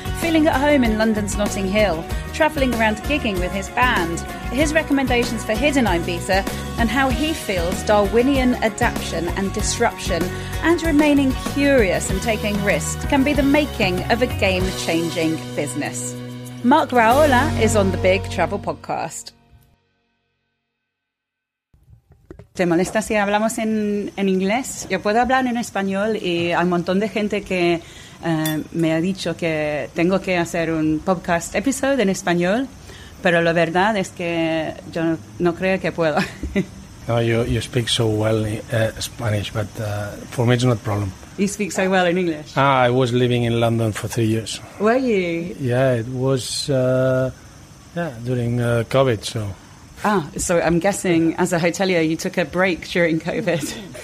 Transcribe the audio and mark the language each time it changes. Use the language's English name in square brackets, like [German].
[English] Feeling at home in London's Notting Hill, travelling around gigging with his band, his recommendations for hidden Ibiza, and how he feels Darwinian adaption and disruption and remaining curious and taking risks can be the making of a game-changing business. Marc Rahola is on the Big Travel Podcast. [Spanish] ¿Te molesta si hablamos en inglés? Yo puedo hablar en español y hay un montón de gente que me ha dicho que tengo que hacer un [English] podcast episode [Spanish] en español, pero la verdad es que yo no creo que puedo. [English] No, you speak so well Spanish, but for me it's not a problem. You speak so well in English? Ah, I was living in London for 3 years. Were you? Yeah, it was during COVID, so. Ah, so I'm guessing as a hotelier you took a break during COVID.